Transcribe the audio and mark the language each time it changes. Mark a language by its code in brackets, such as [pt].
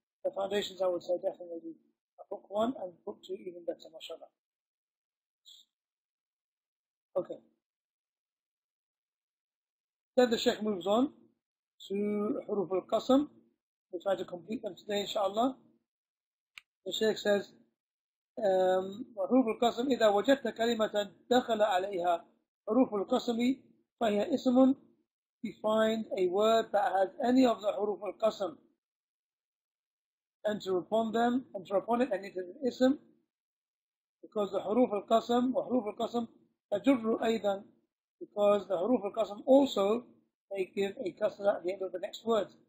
[en] The foundations, I would say, definitely book 1 and book 2 even better, mashallah. Okay. Then the Shaykh moves on to حروف القسم. We try to complete them today, inshallah. The Shaykh says, [ar] حروف القسم إذا وجدت كلمة دخل عليها حروف القسم فهي اسم. [en] We find a word that has any of the حروف القسم enter upon it, and it is an ism, because the حروف القسم, [ar] وحروف القسم تجر أيضا, [en] because the حروف القسم also, they give a كسرة at the end of the next word.